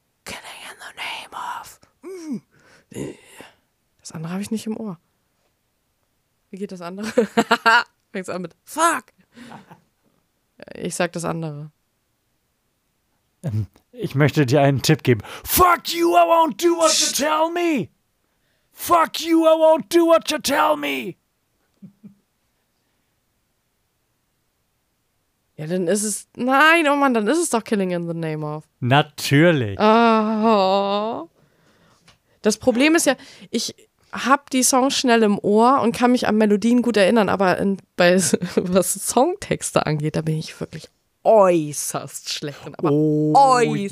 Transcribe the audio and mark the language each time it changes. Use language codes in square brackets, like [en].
[en] Killing in the Name of. [de] Das andere habe ich nicht im Ohr. Wie geht das andere? Fängt es an mit Fuck. Ich sag das andere. Ich möchte dir einen Tipp geben. [en] Fuck you, I won't do what you tell me. Fuck you, I won't do what you tell me. [de] Ja, dann ist es... Nein, oh Mann, dann ist es doch Killing in the Name of. Natürlich. Oh. Das Problem ist ja, ich hab die Songs schnell im Ohr und kann mich an Melodien gut erinnern, aber was Songtexte angeht, da bin ich wirklich äußerst schlecht, äußerst.